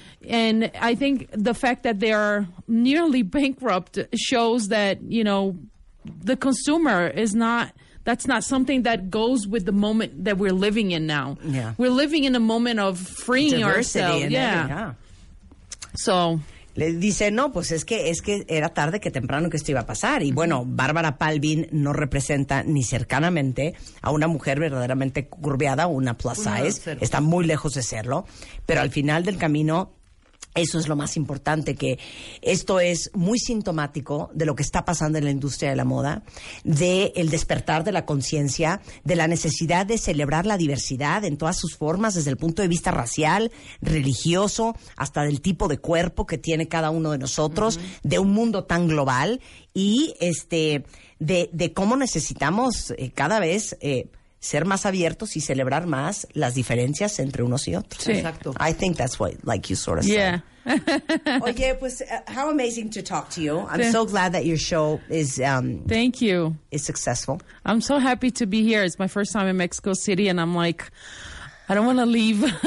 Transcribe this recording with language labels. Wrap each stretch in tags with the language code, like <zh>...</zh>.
<en>And I think the fact that they are nearly bankrupt shows that, you know, the consumer is not, that's not something that goes with the moment that we're living in now. Yeah. We're living in a moment of freeing ourselves. Yeah. So.</en> <es>Le dice, no, pues es que era tarde que temprano que esto iba a pasar. Y bueno, Barbara Palvin no representa ni cercanamente a una mujer verdaderamente curveada, una plus size. Está muy lejos de serlo. Pero al final del camino, eso es lo más importante, que esto es muy sintomático de lo que está pasando en la industria de la moda, de el despertar de la conciencia, de la necesidad de celebrar la diversidad en todas sus formas, desde el punto de vista racial, religioso, hasta del tipo de cuerpo que tiene cada uno de nosotros, de un mundo tan global, y de cómo necesitamos cada vez ser más abiertos y celebrar más las diferencias entre unos y otros. Sí. Exacto.</es> <en>I think that's what, like you sort of said. Yeah.</en> <es>Oye, pues,</es> <en>how amazing to talk to you. I'm so glad that your show is... Thank you. ...is successful. I'm so happy to be here. It's my first time in Mexico City, and I'm like... I don't want to leave.</en>